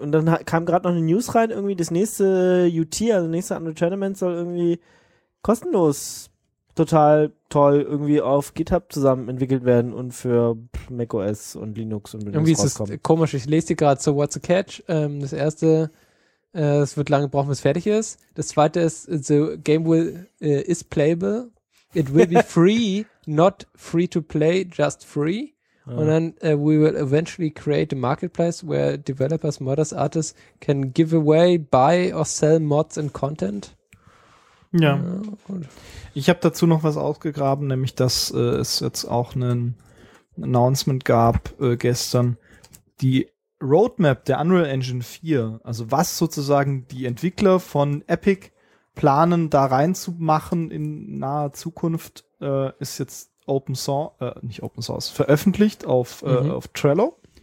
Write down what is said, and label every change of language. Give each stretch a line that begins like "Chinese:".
German: Und dann kam gerade noch eine News rein, irgendwie das nächste UT, also das nächste Unreal Tournament soll irgendwie kostenlos total toll irgendwie auf GitHub zusammen entwickelt werden und für macOS und Linux und Windows irgendwie rauskommen. Ist es komisch, ich lese dir gerade so
English: What's a Catch.
German: Das erste, es wird lange brauchen, bis fertig ist. Das zweite ist,
English: the game will is playable. It will be free, not free to play, just free.
German: Ja. Und dann
English: we will eventually create a marketplace where developers, modders, artists can give away, buy or sell mods and content.
German: Ja, ich habe dazu noch was ausgegraben, nämlich dass es jetzt auch ein Announcement gab gestern, die Roadmap der Unreal Engine 4, also was sozusagen die Entwickler von Epic planen, da reinzumachen in naher Zukunft, ist jetzt veröffentlicht auf Trello.